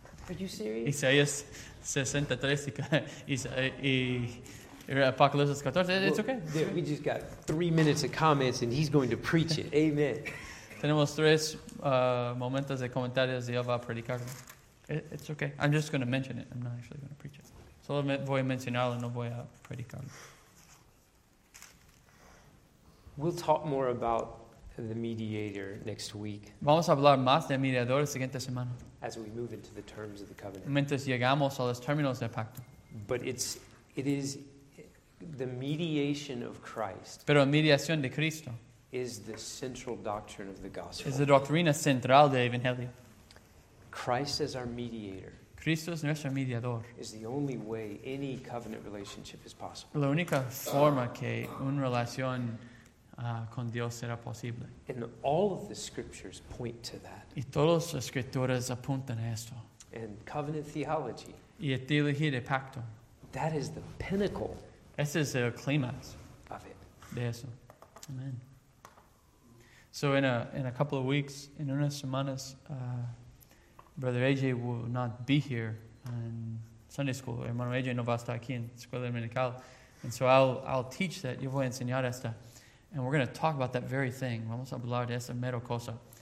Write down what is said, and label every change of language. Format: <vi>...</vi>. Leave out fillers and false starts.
<en>Are you serious?</en> <es>Isaías 63 y Apocalipsis 14.</es> <en>Well, it's okay. Dude, we just got 3 minutes of comments and he's going to preach it. Amen.</en> <es>Tenemos tres momentos de comentarios y él va a predicarlo.</es> <en>It's okay. I'm just going to mention it. I'm not actually going to preach it.</en> <es>Solo voy a mencionarlo, no voy a predicarlo.</es> <en>We'll talk more about the mediator next week.</en> <es>Vamos a hablar más del mediador la siguiente semana.</es> <en>As we move into the terms of the covenant.</en> <es>Mientras llegamos a los términos del pacto.</es> <en>But it is the mediation of Christ.</en> <es>Pero la mediación de Cristo.</es> <en>Is the central doctrine of the gospel.</en> <es>Es la doctrina central del evangelio.</es> <en>Christ as our mediator.</en> <es>Cristo es nuestro mediador.</es> <en>Is the only way any covenant relationship is possible.</en> <es>La única forma que una relación con Dios será posible.</es> <en>And all of the scriptures point to that.</en> <es>Y todas las escrituras apuntan a esto.</es> <en>And covenant theology.</en> <es>Y la teología de pacto.</es> <en>That is the pinnacle.</en> <es>Ese es el clímax.</es> <en>Of it.</en> <es>De eso.</es> <en>Amen. So in a couple of weeks, in</en> <es>unas semanas,</es> <en>Brother AJ will not be here in Sunday school.</en> <es>Hermano AJ no va a estar aquí en escuela dominical.</es> <en>And so I'll teach that.</en> <es>Yo voy a enseñar esta.</es> <en>And we're going to talk about that very thing.</en> <es>Vamos a hablar de esa mero cosa.</es>